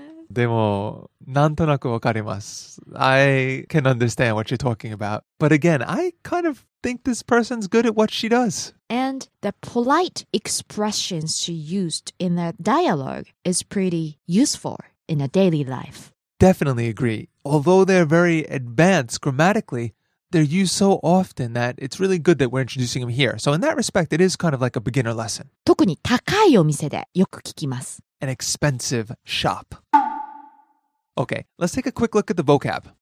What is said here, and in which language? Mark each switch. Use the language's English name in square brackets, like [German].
[Japanese] でも、なんとなくわかります。 [English] I can understand what you're talking about. But again, I kind of think this person's good at what she does. And the polite expressions she used in that dialogue is pretty useful in a daily life. Definitely agree. Although they're very advanced grammatically, they're used so often that it's really good that we're introducing them here. So in that respect, it is kind of like a beginner lesson. [Japanese] 特に高いお店でよく聞きます。 [English] An expensive shop. Okay, let's take a quick look at the vocab.